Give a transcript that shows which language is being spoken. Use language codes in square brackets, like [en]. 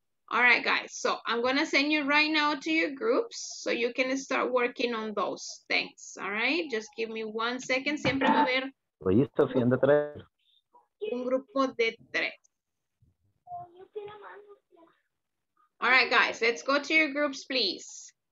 [en] All right, guys, so I'm going to send you right now to your groups so you can start working on those things. All right, just give me one second. [es] Siempre va a haber un grupo de tres. [en] All right, guys, let's go to your groups, please.